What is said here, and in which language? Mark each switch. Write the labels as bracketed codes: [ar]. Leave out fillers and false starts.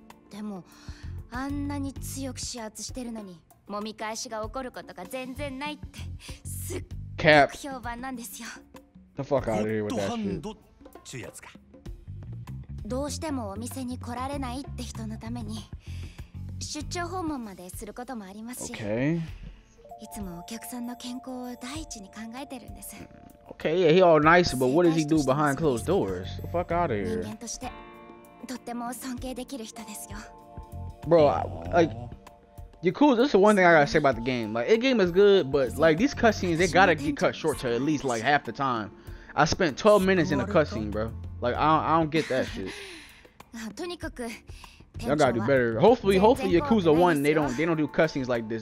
[ja] でも、あんなに強く指圧してるのに、揉み返しが起こることが全然ないって、すっごく評判なんですよ。 [en] The fuck out of here with that shit. ゴッドハンド [ja] っちゅうやつか。どうしてもお店に来られないって人のために出張訪問まですることもありますし、 [en] okay. [ja] いつもお客さんの健康を第一に考えてるんです。 [en] Okay, yeah, he all nice, but what does he do behind closed doors? The fuck out of here. [ja] 人間としてとっても尊敬できる人ですよ。 [en] Bro, Yakuza, this is one thing I gotta say about the game. Like, the game is good, but like these cutscenes, they gotta get cut short to at least like half the time. I spent 12 minutes in a cutscene, bro. Like, I don't get that shit. Y'all gotta do better. Hopefully Yakuza 1, they don't do cutscenes like this.